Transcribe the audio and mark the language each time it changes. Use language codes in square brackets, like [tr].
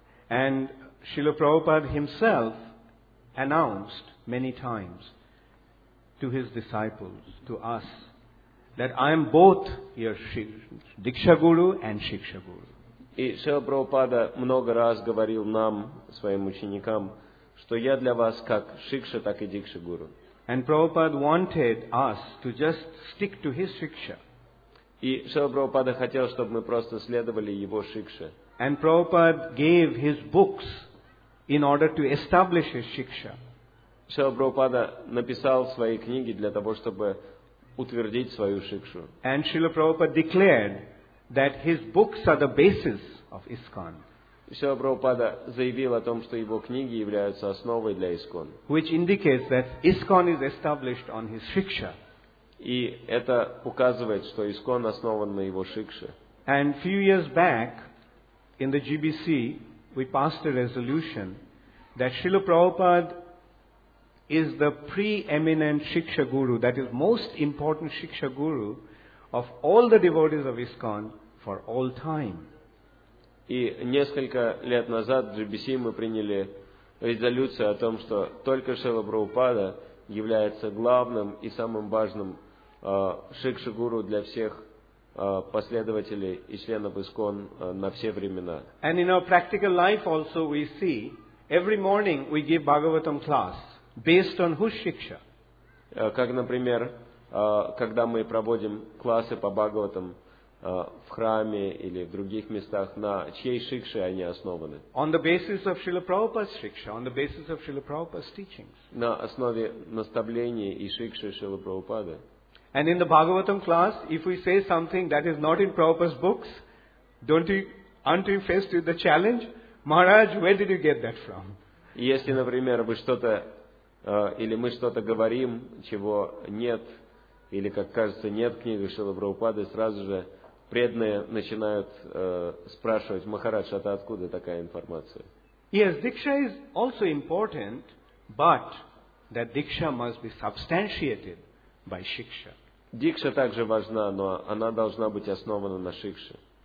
[en] And Srila Prabhupada himself announced many times to his disciples, to us, that I am both your Diksha Guru and Shiksha Guru. [ru] И Шрила Прабхупада много раз говорил нам, своим ученикам, что я для вас как Шикша, так и Дикша Гуру. [en] And Prabhupada wanted us to just stick to his Shiksha. [ru] И Шрила Прабхупада хотел, чтобы мы просто следовали его Шикше. [en] And Prabhupada gave his books in order to establish his Shiksha. [ru] Шрила Прабхупада написал свои книги для того, чтобы утвердить свою Шикшу. [en] And Srila Prabhupada declared that his books are the basis of ISKCON. [ru] Шрила Прабхупада заявил о том, что его книги являются основой для ISKCON. [en] Which indicates that ISKCON is established on his Shiksha. [ru] И это указывает, что ISKCON основан на его Шикше. [en] And few years back, in the GBC, we passed a resolution that Srila Prabhupada is the preeminent Shiksha Guru, that is most important Shiksha Guru of all the devotees of ISKCON for all time. [ru] И несколько лет назад в GBC мы приняли резолюцию о том, что только Шрила Прабхупада является главным и самым важным Шикша Гуру для всех последователей и членов ИСКОН на все времена. [en] And in our practical life also we see Every morning we give Bhagavatam class based on whose shiksha? [ru] Как, например, когда мы проводим классы по Бхагаватам в храме или в других местах, на чьей шикше они основаны? [en] On the basis of Srila Prabhupada's shiksha, on the basis of Srila Prabhupada's teachings. [ru] На основе наставления и шикши Шрилы Прабхупады. [en] And in the Bhagavatam class, if we say something that is not in Prabhupada's books, aren't you faced with the challenge? Maharaj, where did you get that from? [ru] Если, например, вы что-то или мы что-то говорим, чего нет, или, как кажется, нет в книгах Шрилы Прабхупады, сразу же преданные начинают спрашивать: Махарадж, это откуда такая информация? [en] Yes, diksha is also important, but that diksha must be substantiated by shiksha. [ru] Дикша также важна, но она должна быть основана на шикше.